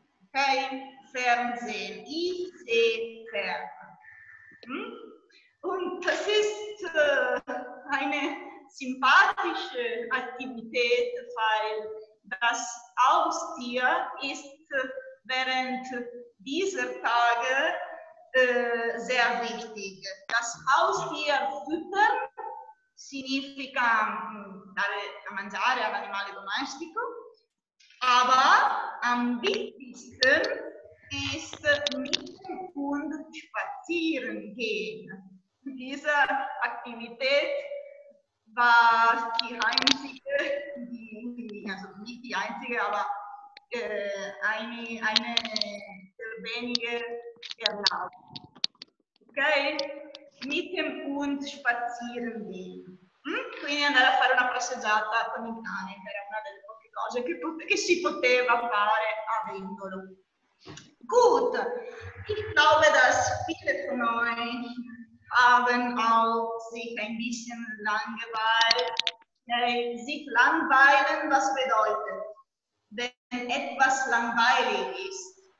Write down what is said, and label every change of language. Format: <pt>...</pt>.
<de>Okay, Fernsehen. Ich sehe Fernsehen. Und das ist eine sympathische Aktivität, weil das Haustier ist während dieser Tage sehr wichtig. Das Haustier füttern</de> <it>significa dare da mangiare all'animale domestico.</it> <de>Aber am wichtigsten ist mit dem Hund spazieren gehen. Diese Aktivität war die einzige, eine der weniger erlaubt. Okay? Mit dem Hund spazieren gehen.</de> <it>Quindi andare a fare una passeggiata con il cane, che era una delle poche cose che si poteva fare avendolo.</it> <de>Gut, ich glaube, dass viele von euch haben auch sich ein bisschen langweilen. Sich langweilen, was bedeutet? Wenn etwas langweilig ist.</de>